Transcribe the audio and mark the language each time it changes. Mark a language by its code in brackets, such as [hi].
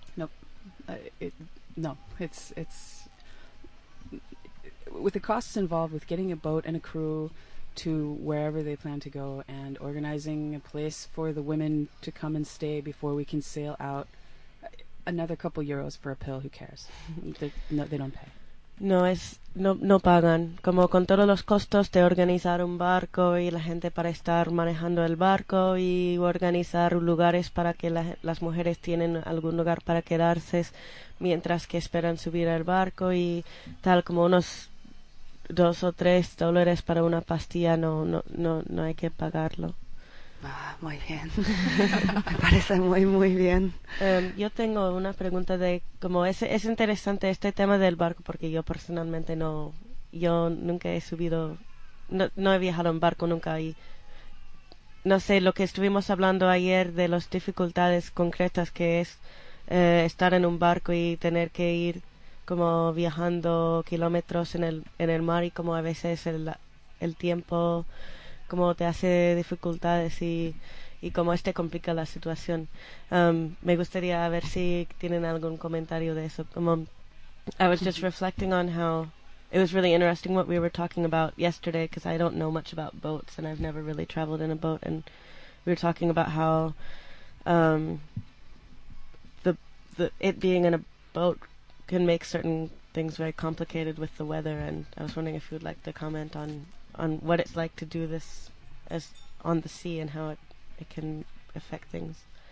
[en] No, it's with the costs involved with getting a boat and a crew to wherever they plan to go and organizing a place for the women to come and stay before we can sail out, another couple euros for a pill, who cares? No, they don't pay. [es] No es, no, no pagan. Como con todos los costos de organizar un barco y la gente para estar manejando el barco y organizar lugares para que las mujeres tienen algún lugar para quedarse mientras que esperan subir al barco y tal, como unos $2 o $3 para una pastilla, no hay que pagarlo. Ah, muy bien. Me parece muy, muy bien. Yo tengo una pregunta de cómo es interesante este tema del barco, porque yo personalmente no he viajado en barco nunca y no sé, lo que estuvimos hablando ayer de las dificultades concretas que es estar en un barco y tener que ir como viajando kilómetros en el mar y como a veces el tiempo como te hace dificultades y como este complica la situación. Me gustaría ver si tienen algún comentario de eso. [en] Como, I was just reflecting on how it was really interesting what we were talking about yesterday, because I don't know much about boats and I've never really traveled in a boat, and we were talking about how the it being in a boat can make certain things very complicated with the weather, and I was wondering if you'd like to comment on what it's like to do this as on the sea and how it can affect things.